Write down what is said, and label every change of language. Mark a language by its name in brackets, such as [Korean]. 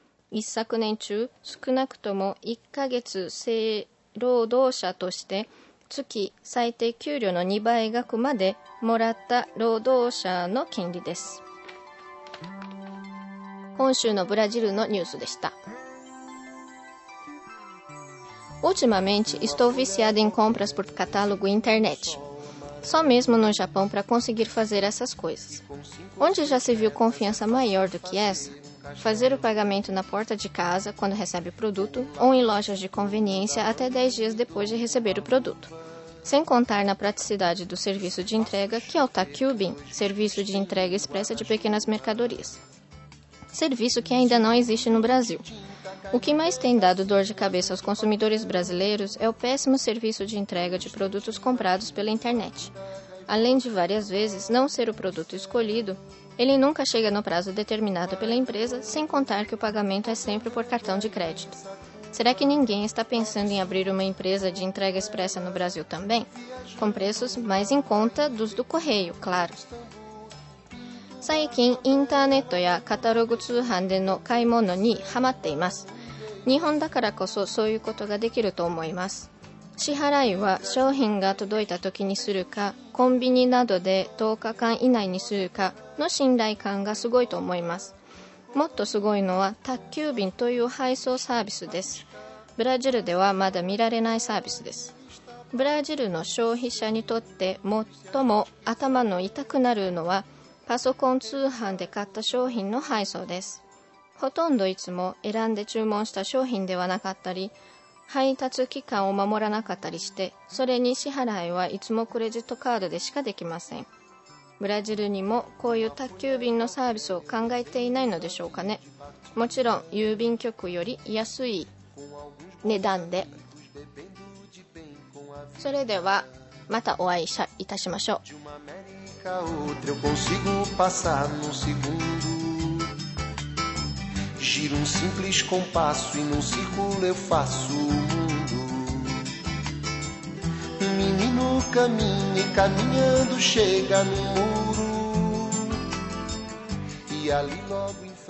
[Japanese] 一昨年中、少なくとも1ヶ月正労働者として月最低給料の2倍額までもらった労働者の権利です。今週のブラジルのニュースでした。 [Portuguese] Ultimamente estou viciada em compras por catálogo e internet. Só mesmo no Japão para conseguir fazer essas coisas. Onde já se viu confiança maior do que essa? Fazer o pagamento na porta de casa, quando recebe o produto, ou em lojas de conveniência até 10 dias depois de receber o produto. Sem contar na praticidade do serviço de entrega, que é o Takubin, serviço de entrega expressa de pequenas mercadorias. Serviço que ainda não existe no Brasil. O que mais tem dado dor de cabeça aos consumidores brasileiros é o péssimo serviço de entrega de produtos comprados pela internet. Além de várias vezes não ser o produto escolhido, ele nunca chega no prazo determinado pela empresa, sem contar que o pagamento é sempre por cartão de crédito. Será que ninguém está pensando em abrir uma empresa de entrega expressa no Brasil também? Com preços mais em conta dos do correio, claro. [Japanese] 最近インターネットやカタログ通販での買い物にハマっています。日本だからこそそういうことができると思います。支払いは商品が届いた時にするか、コンビニなどで10日間以内にするかの信頼感がすごいと思います。もっとすごいのは宅急便という配送サービスです。ブラジルではまだ見られないサービスです。ブラジルの消費者にとって最も頭の痛くなるのはパソコン通販で買った商品の配送です。ほとんどいつも選んで注文した商品ではなかったり、配達期間を守らなかったりして、それに支払いはいつもクレジットカードでしかできません。ブラジルにもこういう宅急便のサービスを考えていないのでしょうかね。もちろん郵便局より安い値段で。それではまたお会いいたしましょう。 [Portuguese] Outra, eu consigo passar num segundo. Giro um simples compasso e num círculo eu faço o mundo. Menino caminha e caminhando chega no muro. E ali logo